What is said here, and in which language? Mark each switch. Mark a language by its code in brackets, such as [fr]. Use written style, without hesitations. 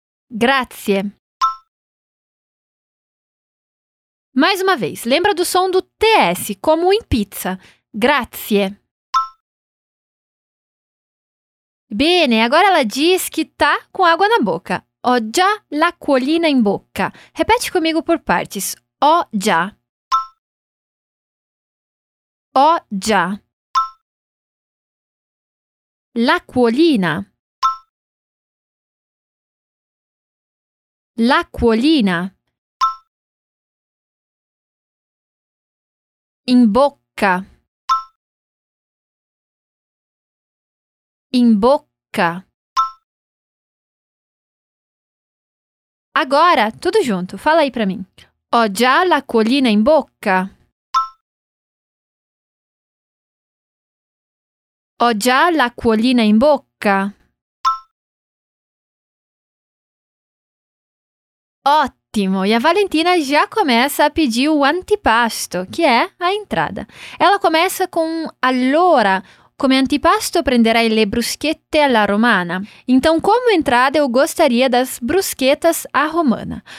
[it] Grazie. [pt] Mais uma vez, lembra do som do TS, como em pizza. Grazie. Bene, agora ela diz que tá com água na boca. [it] Ho già l'acquolina in bocca. [pt] Repete comigo por partes. [it] Ho già. Ho già. L'acquolina. L'acquolina. In bocca. In bocca. [pt] Agora, tudo junto, fala aí pra mim. [it] Ho già l'acquolina in bocca. Ho già l'acquolina in bocca. [pt] Ótimo! E a Valentina já começa a pedir o antipasto, que é a entrada. Ela começa com [it] allora. Come antipasto prenderai le bruschette alla romana. [pt] Então, como entrada, eu gostaria das bruschettas à romana.